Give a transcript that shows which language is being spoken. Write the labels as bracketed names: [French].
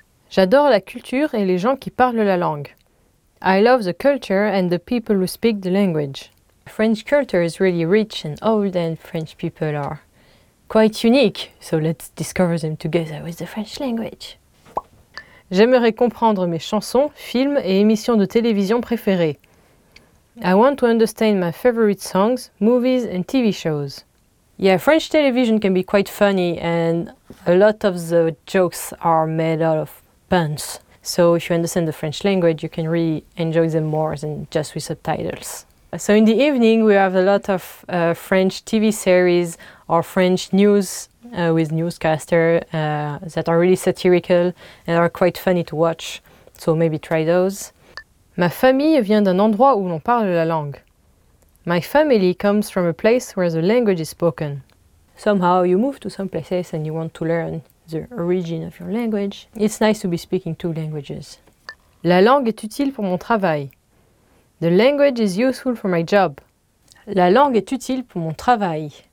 [French] J'adore la culture et les gens qui parlent la langue. [English] I love the culture and the people who speak the language. French culture is really rich and old, and French people are quite unique. So let's discover them together with the French language. [French] J'aimerais comprendre mes chansons, films et émissions de télévision préférées. [English] I want to understand my favorite songs, movies and TV shows. Yeah, French television can be quite funny and a lot of the jokes are made out of puns. So if you understand the French language, you can really enjoy them more than just with subtitles. So in the evening, we have a lot of French TV series or French news with newscaster that are really satirical and are quite funny to watch. So maybe try those. [French] Ma famille vient d'un endroit où l'on parle la langue. [English] My family comes from a place where the language is spoken. Somehow you move to some places and you want to learn the origin of your language. It's nice to be speaking two languages. [French] La langue est utile pour mon travail. [English] The language is useful for my job. [French] La langue est utile pour mon travail.